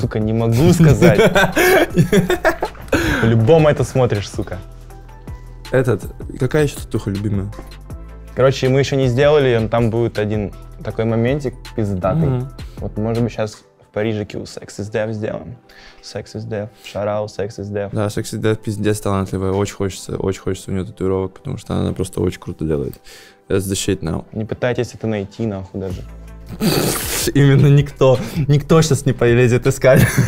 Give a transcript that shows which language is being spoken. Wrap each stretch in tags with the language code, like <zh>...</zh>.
<ru>Сука, не могу сказать. По-любому это смотришь, сука. Этот, какая еще татуха любимая? Короче, мы еще не сделали, но там будет один такой моментик пиздатый. Вот, может быть, сейчас... В Париже кил, Sex is Death сделан. Sex is Death, Шарау, Sex is Death. Да, Sex is Death пиздец талантливая. Очень хочется у нее татуировок, потому что она просто очень круто делает.</ru> <en>That's the shit now.</en> <ru>Не пытайтесь это найти, нахуй, даже. Именно никто. Никто сейчас не полезет искать.</ru>